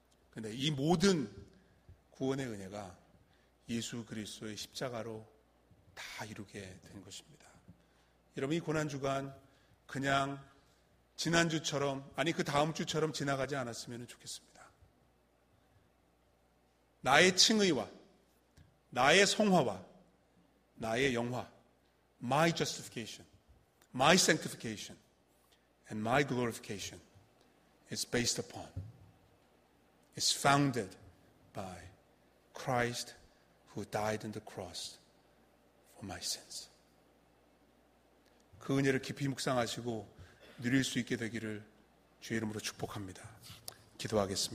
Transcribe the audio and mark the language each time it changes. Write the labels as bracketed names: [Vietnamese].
[Korean] 근데 이 모든 구원의 은혜가 예수 그리스도의 십자가로 다 이루게 된 것입니다. 여러분 이 고난주간 그냥 지난주처럼, 아니 그 다음주처럼 지나가지 않았으면 좋겠습니다. 나의 칭의와 나의 성화와 나의 영화, [English] My justification, My sanctification, and My glorification is based upon, is founded by Christ who died on the cross for my sins. [Korean] 그 은혜를 깊이 묵상하시고 누릴 수 있게 되기를 주의 이름으로 축복합니다. 기도하겠습니다.